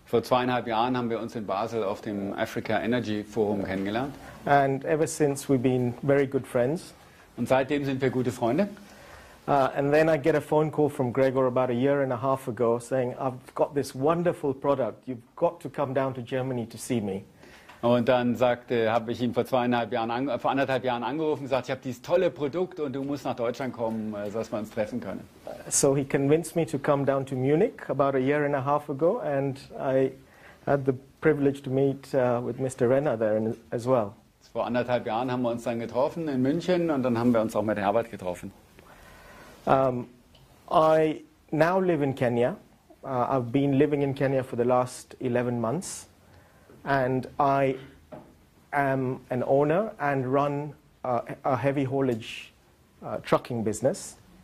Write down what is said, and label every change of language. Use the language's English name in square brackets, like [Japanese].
[German] Vor 2,5 Jahren haben wir uns in Basel auf dem Africa Energy Forum kennengelernt. [English] And ever since we've been very good friends. [German] Und seitdem sind wir gute Freunde. [English] And then I get a phone call from Gregor about 1.5 years ago saying, I've got this wonderful product. You've got to come down to Germany to see me. [German] Und dann habe ich ihn vor 1,5 Jahren angerufen und gesagt, ich habe dieses tolle Produkt und du musst nach Deutschland kommen, sodass wir uns treffen können. [English] So he convinced me to come down to Munich about 1.5 years ago, and I had the privilege to meet with Mr. Renner there as well. [German] Vor 1,5 Jahren haben wir uns dann getroffen in München und dann haben wir uns auch mit Herbert getroffen. [English] I now live in Kenya. I've been living in Kenya for the last 11 months, and I am an owner and run a heavy haulage trucking business.